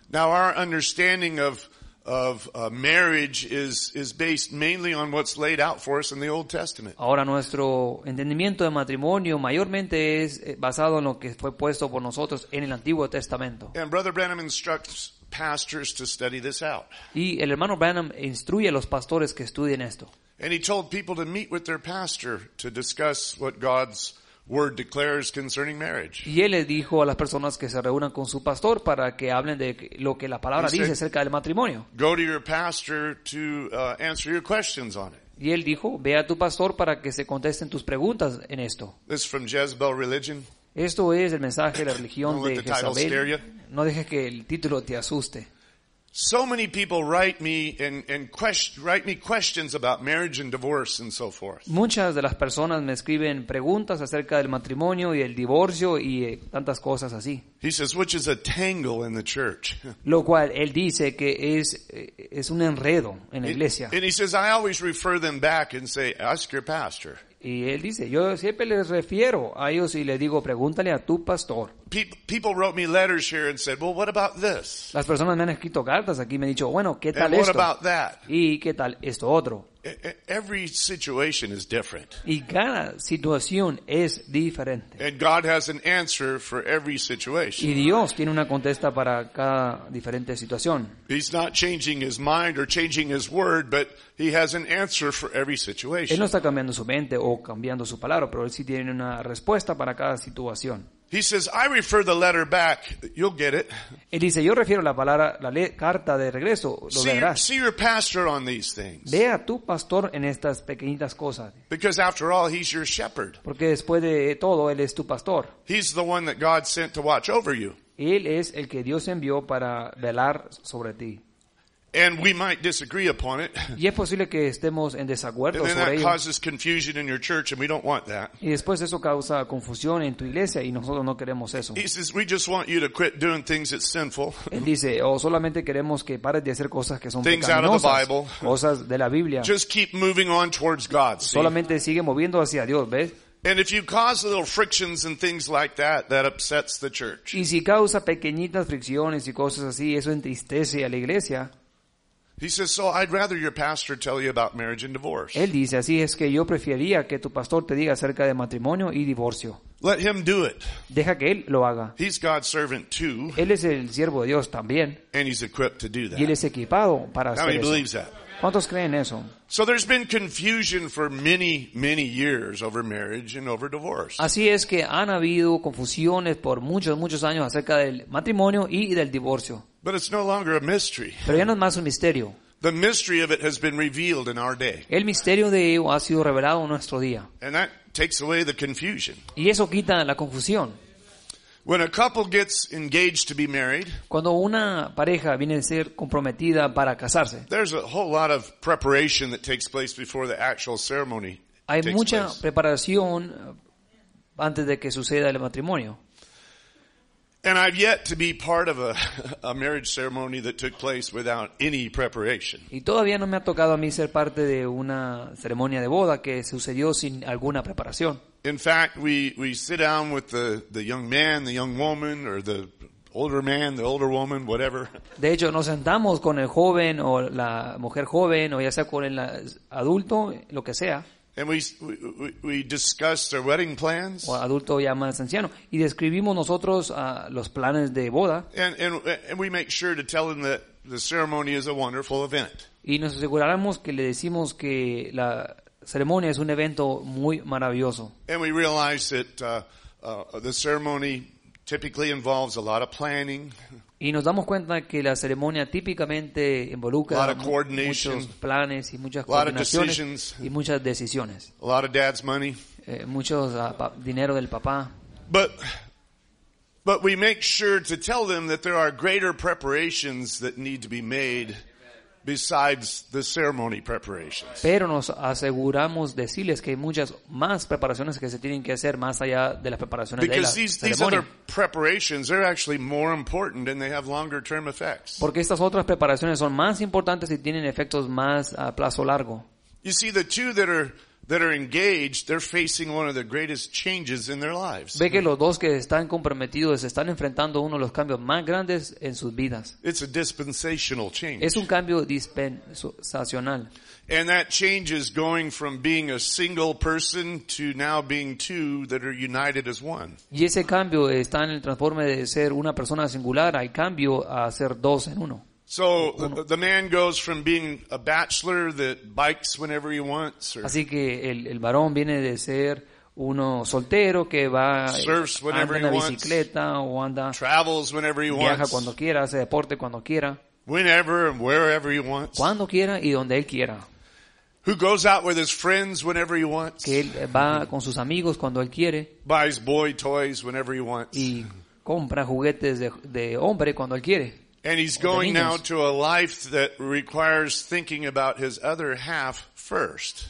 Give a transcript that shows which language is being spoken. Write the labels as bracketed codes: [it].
[en] Now our understanding of marriage is based mainly on what's laid out for us in the Old Testament. [es] Ahora nuestro entendimiento de matrimonio mayormente es basado en lo que fue puesto por nosotros en el Antiguo Testamento. [en] And Brother Branham instructs pastors to study this out. [es] Y el hermano Branham instruye a los pastores que estudien esto. [en] And he told people to meet with their pastor to discuss what God's Word declares concerning marriage. [es] Y él le dijo a las personas que se reúnan con su pastor para que hablen de lo que la palabra dice acerca del matrimonio. [en] Go to your pastor to answer your questions on it. [es] Y él dijo, ve a tu pastor para que se contesten tus preguntas en esto. [en] This is from Jezebel Religion. [es] Esto es el mensaje de la religión de Jezabel. No dejes que el título te asuste. [en] So many people write me and write me questions about marriage and divorce and so forth. [es] Muchas de las personas me escriben preguntas acerca del matrimonio y el divorcio y tantas cosas así. [en] He says, which is a tangle in the church. [es] Lo cual él dice que es un enredo en la iglesia. [en] And he says, I always refer them back and say, ask your pastor. [es] Y él dice, yo siempre les refiero a ellos y le digo, pregúntale a tu pastor. [en] People wrote me letters here and said, well, what about this? [es] Las personas me han escrito cartas aquí y me han dicho, bueno, ¿qué tal esto? [en] And what about that? [es] ¿Y qué tal esto otro? [en] Every situation is different. [es] Y cada situación es diferente. [en] And God has an answer for every situation. [es] Y Dios tiene una contesta para cada diferente situación. [en] He's not changing his mind or changing his word, but he has an answer for every situation. [es] Él no está cambiando su mente o cambiando su palabra, pero él sí tiene una respuesta para cada situación. [en] He says, I refer the letter back. You'll get it. [es] Él dice, yo refiero la palabra, la carta de regreso. Lo verás. [en] See your pastor on these things. [es] Ve a tu pastor en estas pequeñitas cosas. [en] Because after all, he's your shepherd. [es] Porque después de todo, él es tu pastor. [en] He's the one that God sent to watch over you. [es] Él es el que Dios envió para velar sobre ti. [en] And we might disagree upon it. [es] Y es posible que estemos en desacuerdo sobre ello. [en] And that causes confusion in your church, and we don't want that. [es] Y después eso causa confusión en tu iglesia, y nosotros no queremos eso. [en] He says, "We just want you to quit doing things that's sinful." [es] Él dice, o solamente queremos que pares de hacer cosas que son pecaminosas. [en] Things out of the Bible. [es] Cosas de la Biblia. [en] Just keep moving on towards God. [es] Solamente sigue moviendo hacia Dios, ¿ves? [en] And if you cause little frictions and things like that, that upsets the church. [es] Y si causa pequeñitas fricciones y cosas así, eso entristece a la iglesia. [en] He says, so I'd rather your pastor tell you about marriage and divorce. [es] Él dice, así es que yo preferiría que tu pastor te diga acerca de matrimonio y divorcio. [en] Let him do it. [es] Deja que él lo haga. [en] He's God's servant too. [es] Él es el siervo de Dios también. [en] And he's equipped to do that. [es] Y él es equipado para hacer eso. [en] How many believes that? [es] ¿Cuántos creen eso? [en] So there's been confusion for many, many years over marriage and over divorce. [es] Así es que han habido confusiones por muchos, muchos años acerca del matrimonio y del divorcio. [en] But it's no longer a mystery. [es] Pero ya no es más un misterio. [en] The mystery of it has been revealed in our day. [es] El misterio de ello ha sido revelado en nuestro día. [en] And that takes away the confusion. [es] Y eso quita la confusión. [en] When a couple gets engaged to be married, [es] cuando una pareja viene a ser comprometida para casarse, [en] there's a whole lot of preparation that takes place before the actual ceremony. [es] Hay mucha preparación antes de que suceda el matrimonio. [en] And I've yet to be part of a marriage ceremony that took place without any preparation. [es] Y todavía no me ha tocado a mí ser parte de una ceremonia de boda que sucedió sin alguna preparación. [en] In fact, we sit down with the young man, the young woman, or the older man, the older woman, whatever. [es] De hecho, nos sentamos con el joven o la mujer joven o ya sea con el adulto, lo que sea. [en] And we discussed our wedding plans. [es] O adulto ya más anciano. Y describimos nosotros los planes de boda. [en] And we make sure to tell them that the ceremony is a wonderful event. [es] Y nos aseguramos que le decimos que la ceremonia es un evento muy maravilloso. [en] And we realize that the ceremony typically involves a lot of planning. [es] Y nos damos cuenta que la ceremonia típicamente involucra muchos planes y muchas coordinaciones y muchas decisiones. [en] A lot of dad's money. [es] Dinero del papá. [en] But we make sure to tell them that there are greater preparations that need to be made besides the ceremony preparations. [es] Pero nos aseguramos decirles que hay muchas más preparaciones que se tienen que hacer más allá de las preparaciones [en] Because [es] de la ceremonia. [en] Because these other preparations are actually more important and they have longer term effects. [es] Porque estas otras preparaciones son más importantes y tienen efectos más a plazo largo. [en] You see, the two that are engaged, they're facing one of the greatest changes in their lives. [es] Ve que los dos que están comprometidos están enfrentando uno de los cambios más grandes en sus vidas. [en] It's a dispensational change. [es] Es un cambio dispensacional. [en] And that change is going from being a single person to now being two that are united as one. [es] Y ese cambio está en el transforme de ser una persona singular al cambio a ser dos en uno. [en] So the man goes from being a bachelor that bikes whenever he wants. Or [es] Así que el varón viene de ser uno soltero que va [en] surfs whenever [es] anda en la bicicleta [en] wants, [es] o anda [en] travels whenever he [es] viaja [en] wants, [es] cuando quiera, hace deporte cuando quiera. [en] Whenever and wherever he wants. [es] Cuando quiera y donde él quiera. [en] Who goes out with his friends whenever he wants. [es] Que él va con sus amigos cuando él quiere. [en] Buys boy toys whenever he wants. [es] Y compra juguetes de hombre cuando él quiere. [en] And he's going now to a life that requires thinking about his other half first.